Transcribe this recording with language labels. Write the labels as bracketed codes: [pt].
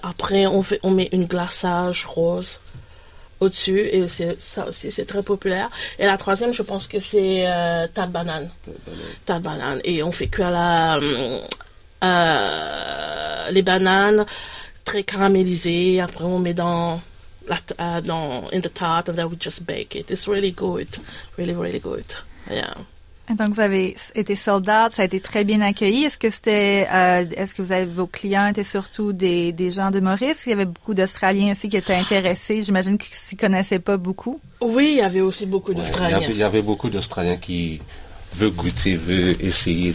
[fr] Après, on met une glaçage rose au-dessus, et ça aussi, c'est très populaire. Et la troisième, je pense que c'est tarte banane. Tarte banane. Et on fait cuire les bananes très caramélisées. Après, on met [en] in the tart, and then we just bake it. It's really good. Really, really good. Yeah. [fr] Donc, vous avez été sold out, ça a été très bien accueilli. Est-ce que vos clients étaient surtout des gens de Maurice? Il y avait beaucoup d'Australiens aussi qui étaient intéressés. J'imagine qu'ils ne s'y connaissaient pas beaucoup. Oui, il y avait aussi beaucoup d'Australiens. Il y avait beaucoup d'Australiens qui veulent goûter, veulent essayer.